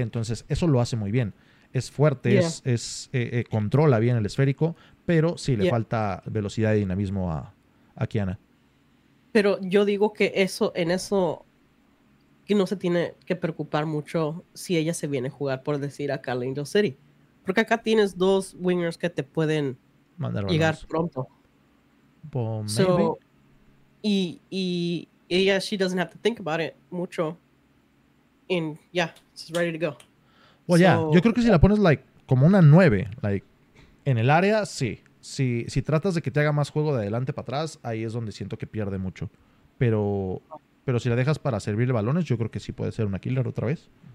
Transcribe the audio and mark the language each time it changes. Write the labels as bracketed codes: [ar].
[es] Entonces, eso lo hace muy bien. Es fuerte, controla bien el esférico, pero sí le falta velocidad y dinamismo a Kiana. Pero yo digo que eso que no se tiene que preocupar mucho si ella se viene a jugar, por decir, acá a la Angel City. Porque acá tienes dos wingers que te pueden mandar llegar pronto. [en] Well, maybe. [es] Y ella, [en] she doesn't have to think about it [es] mucho. [en] And yeah, she's ready to go. Well, so, yeah, [es] yo creo que si la pones like como una 9, like en el área, sí. Si tratas de que te haga más juego de adelante para atrás, ahí es donde siento que pierde mucho. Pero si la dejas para servirle balones, yo creo que sí puede ser una killer otra vez.